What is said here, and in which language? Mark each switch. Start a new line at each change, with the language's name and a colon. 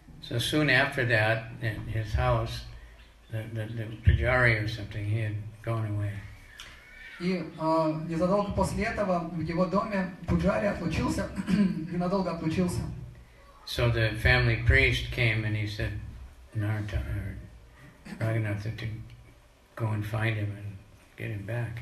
English: So soon after that, in his house, the pujari or something, he had gone away.
Russian: И незадолго после этого в его доме пуджари отлучился, ненадолго отлучился.
English: So the family priest came and he said, Narta, or Raghunath, to go and find him and get him back.